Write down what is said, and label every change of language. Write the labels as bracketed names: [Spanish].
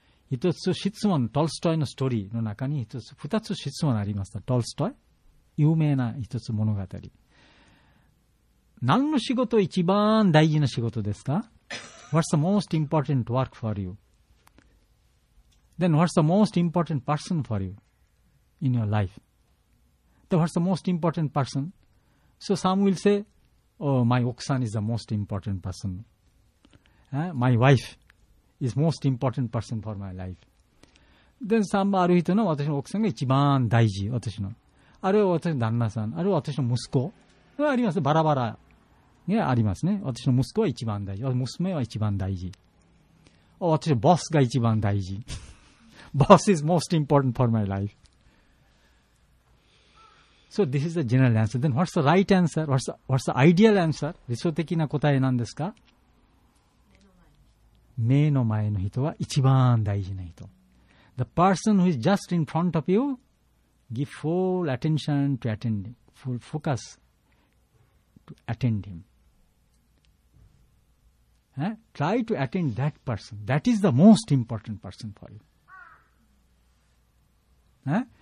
[Japanese] 一つ質問、トルストイのストーリーの中に一つ、二つ質問ありました。トルストイ、有名な一つ物語。何の仕事一番大事な仕事ですか? [English] What's the most important work for you?Then what's the most important person for you in your life?Then what's the most important person?So some will say, oh, my 奥さん is the most important person.、My wife.is most important person for my life. [Japanese] で3番ある人の私の奥さんが一番大事、私の、あるいは私の旦那さん、あるいは私の息子がありますね、バラバラがありますね。私の息子は一番大事、娘は一番大事、私のボスが一番大事 [English] Boss is most important for my life. So this is the general answer. Then what's the right answer? What's the ideal answer? [Japanese] 理想的な答えなんですか？目の前の人は一番大事な人。 [English] The person who is just in front of you, give full attention to attend him. Full focus to attend him. Try to attend that person. That is the most important person for you.